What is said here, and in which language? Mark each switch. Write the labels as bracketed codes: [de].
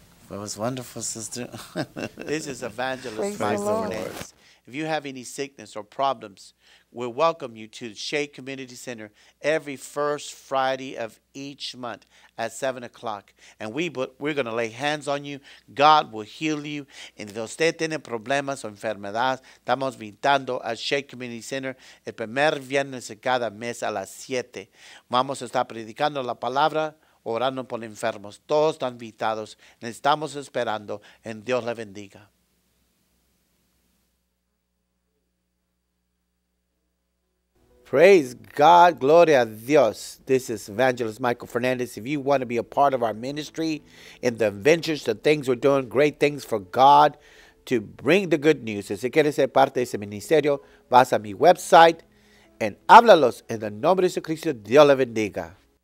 [en] That was wonderful, sister. This is Evangelist Praise Mike Fernandez. If you have any sickness or problems, we welcome you to the Shea Community Center every first Friday of each month at 7 o'clock. And we're going to lay hands on you. God will heal you. And if [es] usted tiene problemas o enfermedades, estamos visitando al Shea Community Center el primer viernes de cada mes a las 7. Vamos a estar predicando la palabra, orando por enfermos. Todos están invitados. Estamos esperando. En Dios le bendiga. [en] Praise God, [es] gloria a Dios. [en] This is Evangelist Michael Fernandez. If you want to be a part of our ministry in the ventures, the things we're doing, great things for God to bring the good news. [es] Si quieres ser parte de ese ministerio, vas a mi website and háblalos en el nombre de Jesucristo. Dios le bendiga.